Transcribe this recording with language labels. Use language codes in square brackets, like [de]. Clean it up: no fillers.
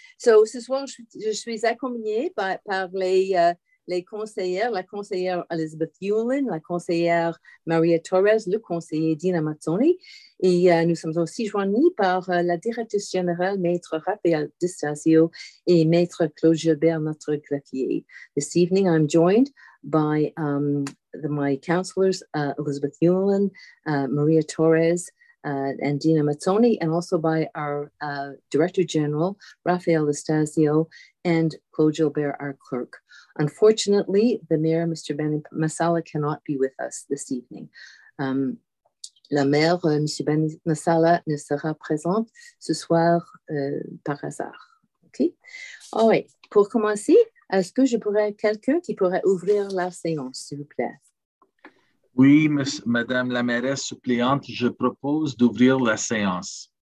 [fr] So ce soir, je suis accompagnée par les conseillères, la conseillère Elizabeth Yulin, la conseillère Maria Torres, le conseiller Dina Mazzoni. Et nous sommes aussi joignis par la directrice générale, Maître Raphaël D'Estasio et Maître Claude Gilbert, notre greffier. [en] This evening, I'm joined by my counselors, Elizabeth Yulin, Maria Torres, and Dina Mazzoni, and also by our Director General, Raphaël D'Estasio, and Claude Gilbert, our clerk. Unfortunately, the mayor, Mr. Benny Masala, cannot be with us this evening. [fr] La maire, Mr. Benny Masala, ne sera présente ce soir par hasard. OK? [en] All right, [fr] pour commencer, est-ce que je pourrais quelqu'un qui pourrait ouvrir la séance, s'il vous plaît? Oui, Madame la mairesse suppléante, je propose d'ouvrir la séance.